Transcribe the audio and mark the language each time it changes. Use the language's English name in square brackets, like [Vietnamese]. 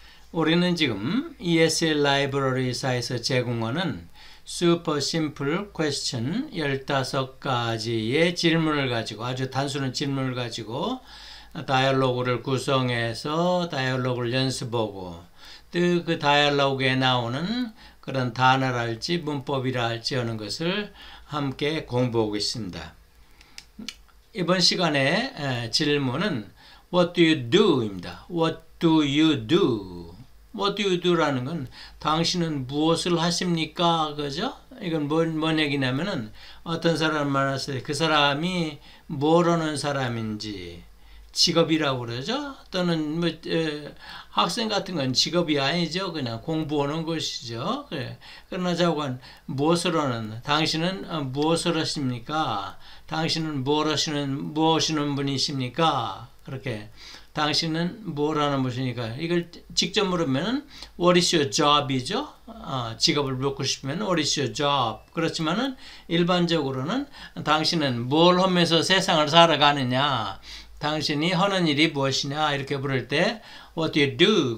[Korean] 우리는 지금 ESL Library사에서 제공하는 Super Simple Question 15가지의 질문을 가지고 아주 단순한 질문을 가지고 다이얼로그를 구성해서 다이얼로그를 연습하고 또 그 다이얼로그에 나오는 그런 단어랄지 문법이랄지 하는 것을 함께 공부하고 있습니다. 이번 시간에 질문은 [English] What do you do? [Korean] 입니다. [English] What do you do? What do you do? [Korean] 라는 건 당신은 무엇을 하십니까? 그죠? 이건 뭔 얘기냐면은 어떤 사람을 말했을 때 그 사람이 뭘 하는 사람인지 직업이라고 그러죠? 또는 뭐, 학생 같은 건 직업이 아니죠. 그냥 공부하는 것이죠. 그래. 그러나 자고는 무엇을 하는, 당신은 무엇을 하십니까? 당신은 뭘 하시는, 무엇이는 분이십니까? 그렇게. 당신은 뭘 하는 분이십니까? 이걸 직접 물으면, [English] What is your job [Korean] 이죠? 직업을 묻고 싶으면, [English] What is your job? [Korean] 그렇지만은, 일반적으로는 당신은 뭘 하면서 세상을 살아가느냐? 당신이 하는 일이 무엇이냐 이렇게 부를 때 [English] What do you do?